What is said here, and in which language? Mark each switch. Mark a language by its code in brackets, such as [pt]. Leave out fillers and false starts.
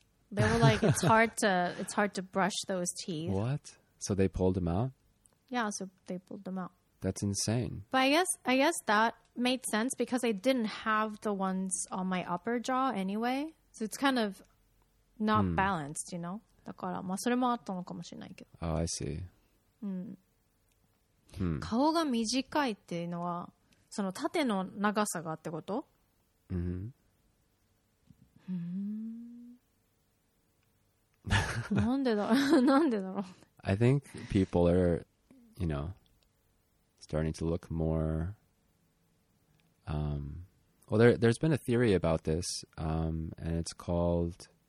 [en] They were like, it's hard to brush those teeth. What? So they pulled them out? Yeah, so they pulled them out. That's insane. But I guess that made sense because I didn't have the ones on my upper jaw anyway. So it's kind of not balanced, you know? [ja] だから、まあそれもあったのかもしれないけど。 [en] Oh, I see. Hmm. [ja] 顔が短いっていうのは、その縦の長さがってこと? [en] I think people are, you know, starting to look more. Well, there's been a theory about this, and it's called.